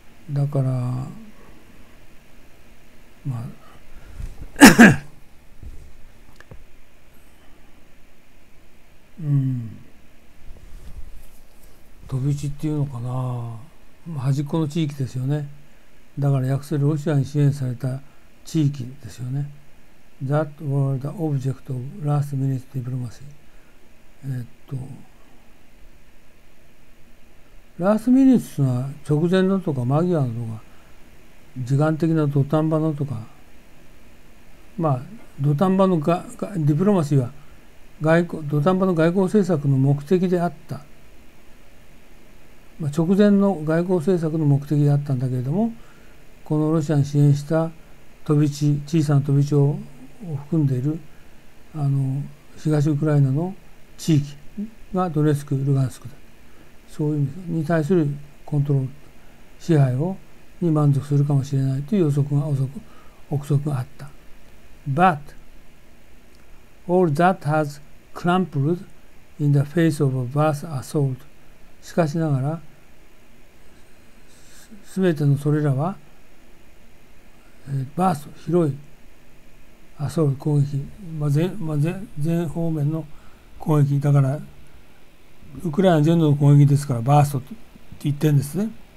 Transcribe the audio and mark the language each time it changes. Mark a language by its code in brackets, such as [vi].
[ja] だからまあうん、飛び地っていうのかな、端っこの地域ですよね。だから訳せるロシアに支援された地域ですよね。 [en] That was the object of last minute diplomacy。 [ja] ラストミニッツは直前のとか間際のとか時間的な土壇場のとか、まあ土壇場のディプロマシーは外交、土壇場の外交政策の目的であった、まあ、直前の外交政策の目的であったんだけれども、このロシアに支援した飛び地、小さな飛び地を含んでいる東ウクライナの地域がドネツク、ルガンスクだ、そういうに対するコントロール、支配をに満足するかもしれないという予測が、憶測があった。 [en] But all that has crumpled in the face of a vast assault。 [ja] しかしながら、すべてのそれらは、バースト、広い、アソール、攻撃、全方面の攻撃、だから、ウクライナ全土の攻撃ですから、バーストって言ってんですね。